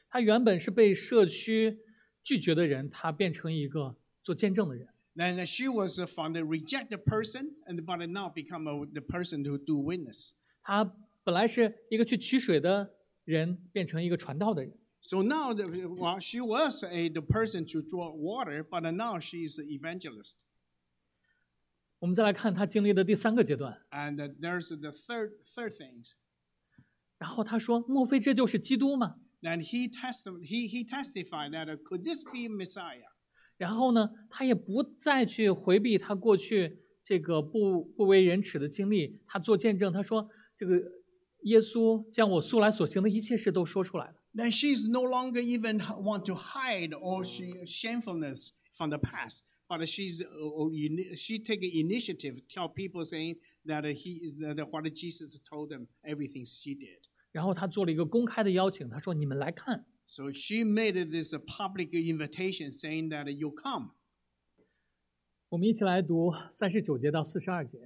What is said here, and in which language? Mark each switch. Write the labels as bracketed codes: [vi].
[zh] 她原本是被社区拒绝的人，她变成一个。做见证的人。 [en] And she was from the rejected person, but now become the person to do witness. [zh] 她本来是一个去取水的人，变成一个传道的人。 [en] So now, she was the person to draw water, but now she is an evangelist. [zh] 我们再来看她经历的第三个阶段。 [en] And there's the third things. [zh] 然后她说，莫非这就是基督吗 [en] ？And he testified that could this be Messiah? [zh] 然后呢，他也不再去回避他过去这个不为人耻的经历。他做见证，他说：“这个耶稣将我素来所行的一切事都说出来了。” [en] Then she is no longer even want to hide all she shamefulness from the past, but she take initiative tell people saying that what Jesus told them everything she did. [zh] 然后他做了一个公开的邀请，他说：“你们来看。” [en] So she made this a public invitation, saying that you come. [zh] 我们一起来读三十九节到四十二节。